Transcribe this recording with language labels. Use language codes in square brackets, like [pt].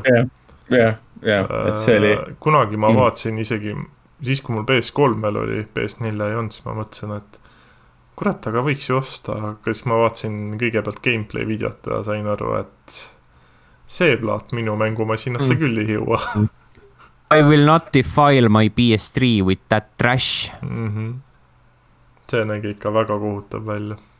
[et] Jah, et see oli... Kunagi ma vaatsin isegi, siis kui mul PS3-el oli, PS4 ei olnud, siis ma mõtlesin, et kurat, aga võiks ju osta. Aga siis ma vaatsin kõigepealt gameplay videot ja sain aru, et see plaat minu mängu ma sinnasse küll ei jõua. [en] I will not defile my PS3 with that trash. [et] See nägi ikka väga kohutav välja.